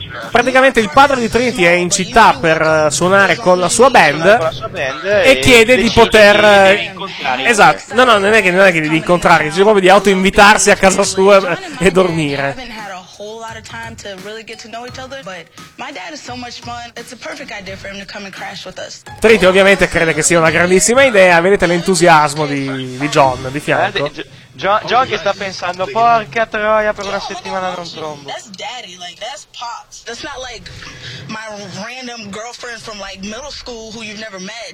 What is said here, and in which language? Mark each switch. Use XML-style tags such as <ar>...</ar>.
<it>Praticamente il padre di Trinity è in città per suonare con la sua band e chiede di poter incontrare. Esatto, no, non è che di incontrare, dice proprio di autoinvitarsi a casa sua e dormire.</it> <en>Lot of time to really get to know each other, but my dad is so much fun. It's a perfect idea for him to come and crash with us.</en> <it>Trinity ovviamente crede che sia una grandissima idea. Vedete l'entusiasmo di John di fianco. Joe che sta pensando, porca troia, per una settimana non trombo.</it> <en>That's daddy, like, that's pops. That's not like my random girlfriend from like middle school who you've never met.</en>